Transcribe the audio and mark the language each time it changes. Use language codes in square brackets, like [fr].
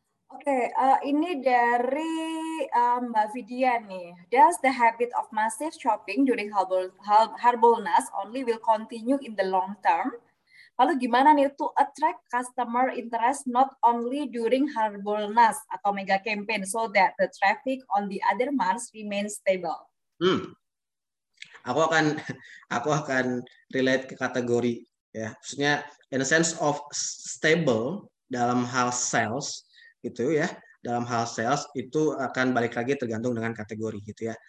[id] Okay, ini dari Mbak Vidya nih. [en] Does the habit of massive shopping during Harbolnas only will continue in the long term? [id] Lalu gimana nih [en] to attract customer interest not only during Harbolnas atau mega campaign so that the traffic on the other months remains stable? [id] Hmm. Aku akan relate ke kategori ya. Maksudnya [en] in a sense of stable [id] dalam hal sales. Gitu ya, dalam hal sales itu akan balik lagi tergantung dengan kategori gitu ya.